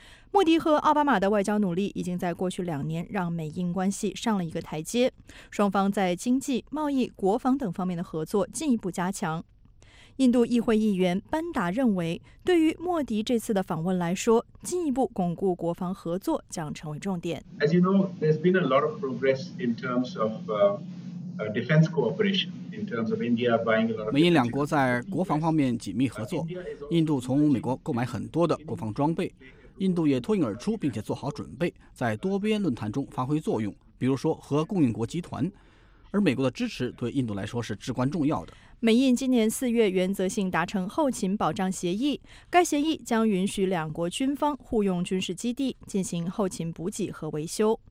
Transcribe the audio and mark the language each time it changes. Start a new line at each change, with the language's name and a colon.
Chinese: 莫迪和奥巴马的外交努力已经在过去两年让美印关系上了一个台阶，双方在经济、贸易、国防等方面的合作进一步加强。印度议会议员班达认为，对于莫迪这次的访问来说，进一步巩固国防合作将成为重点。
English: As you know, there's been a lot of progress in terms of defense cooperation. In terms of India buying a lot of.
Chinese: 美印两国在国防方面紧密合作，印度从美国购买很多的国防装备，印度也脱颖而出，并且做好准备，在多边论坛中发挥作用，比如说和供应国集团。而美国的支持对印度来说是至关重要的。美印今年四月原则性达成后勤保障协议，该协议将允许两国军方互用军事基地进行后勤补给和维修。